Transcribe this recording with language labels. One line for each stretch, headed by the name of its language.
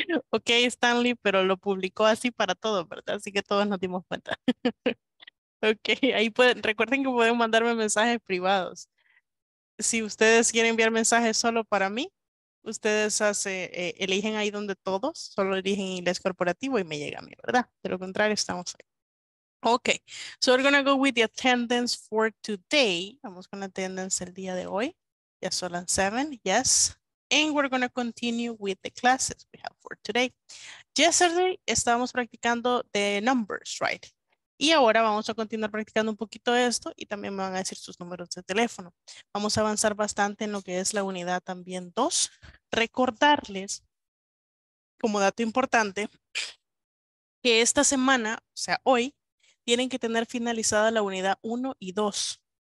Spanish: Ok, Stanley, pero lo publicó así para todos, ¿verdad? Así que todos nos dimos cuenta. Ok, ahí pueden, recuerden que pueden mandarme mensajes privados. Si ustedes quieren enviar mensajes solo para mí, ustedes eligen ahí donde todos, solo eligen inglés corporativo y me llega a mí, ¿verdad? De lo contrario, estamos ahí.
English: Ok, so we're gonna go with the attendance for today.
Spanish: Vamos con la attendance el día de hoy. Ya son 7, yes.
English: And we're going to continue with the classes we have for today. Yesterday,
Spanish: estábamos practicando
English: the numbers, right?
Spanish: Y ahora vamos a continuar practicando un poquito esto y también me van a decir sus números de teléfono. Vamos a avanzar bastante en lo que es la unidad también 2. Recordarles, como dato importante, que esta semana, o sea, hoy, tienen que tener finalizada la unidad 1 y 2.